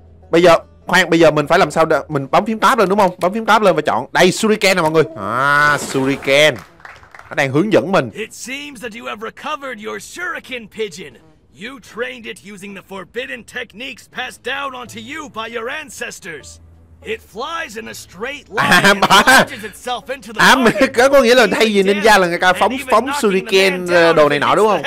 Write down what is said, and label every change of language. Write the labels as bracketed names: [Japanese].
[Vietnamese] Bây giờ mình phải làm sao để mình bấm phím tab lên đúng không? Bấm phím tab lên và chọn đây Shuriken nè mọi người. À, Shuriken. Nó đang hướng dẫn mình. [English] It seems that you have recovered your shuriken pigeon. You trained it using the forbidden techniques passed down onto you by your ancestors. It flies in a straight line. [Vietnamese] Có nghĩa là thay vì ninja là người ta phóng shuriken đồ này nọ đúng không?